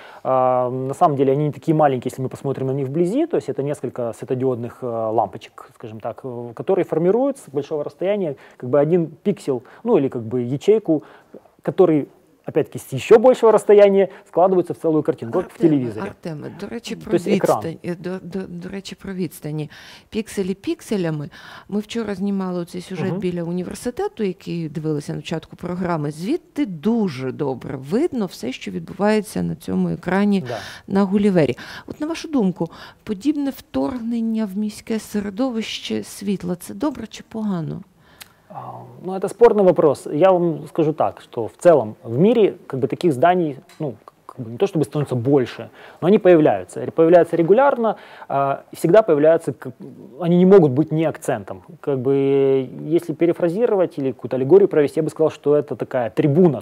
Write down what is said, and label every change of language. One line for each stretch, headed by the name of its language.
Russian: На самом деле они не такие маленькие, если мы посмотрим на них вблизи, то есть это несколько светодиодных лампочек, скажем так, которые формируются с большого расстояния, один пиксель, ячейку, который, опять-таки, с еще большего расстояния складывается в целую картинку, в телевизоре.
Ukrainian: Артеме, до речі, про відстань. До речі, про відстані. Пікселі пікселями. Ми вчора знімали цей сюжет біля університету, який дивилися на початку програми. Звідти дуже добре видно все, що відбувається на цьому екрані на Гулівері. На вашу думку, подібне вторгнення в міське середовище світла – це добре чи погано?
Russian: Это спорный вопрос. Я вам скажу так, что в целом в мире таких зданий не то чтобы становится больше, но они появляются. Появляются регулярно, всегда появляются, они не могут быть не акцентом. Если перефразировать или какую-то аллегорию провести, я бы сказал, что это такая трибуна.